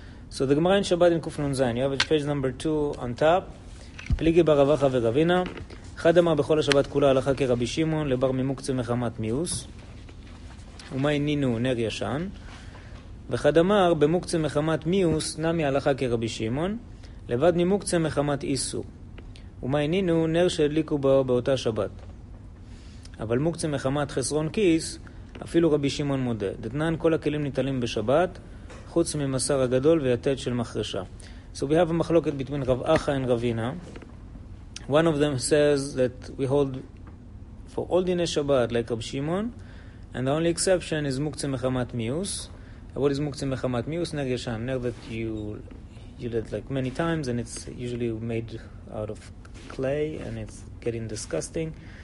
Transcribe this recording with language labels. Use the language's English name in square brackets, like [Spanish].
[English] So the Gemara in Shabbat in Kuf Nun Zayin, you have it page number 2 on top. [Hebrew] פליגי בר רבחה ורבינה אחד אמר בכל השבת כולה הלכה כרבי שמעון לבר ממוקצה מחמת מיוס ומי נינו נר ישן ואחד אמר במוקצה מחמת מיוס נמי הלכה כרבי שמעון לבד ממוקצה מחמת איסור ומי נינו נר שהדליקו בו באותה שבת אבל מוקצה מחמת חסרון כיס אפילו רבי שמעון מודה דתנן כל הכלים ניטלים בשבת חוץ ממסר הגדול ויתד של מחרשה. [English] So we have a machloket between Rav Acha and Ravina. One of them says that we hold for all dinei Shabbat like Rav Shimon, and the only exception is Muktzeh Mechamat Mius. What is Muktzeh Mechamat Mius? Ner Yeshan, ner that you did like many times, and it's usually made out of clay, and it's getting disgusting.